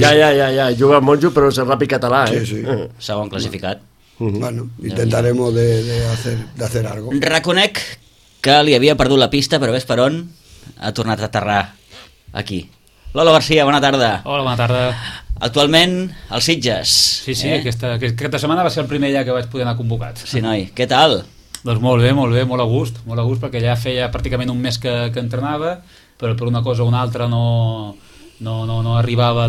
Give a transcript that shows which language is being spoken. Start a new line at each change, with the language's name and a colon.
Catalan: Ja, jugas Monjos, però és el Rapi Català, eh? Sí, sí. Segon classificat.
Spanish: Bueno, intentaremos de hacer algo.
Catalan: Reconec que li havia perdut la pista, però ves per on, ha tornat a aterrar aquí. Lolo García, bona tarda. Hola, bona tarda. Actualment, als Sitges. Sí, sí, eh? aquesta setmana va ser el primer ja que vaig poder anar convocat. Sí, noi, què tal? Doncs molt bé, molt bé, molt a gust, perquè ja feia pràcticament un mes que entrenava, però per una cosa o una altra no arribava...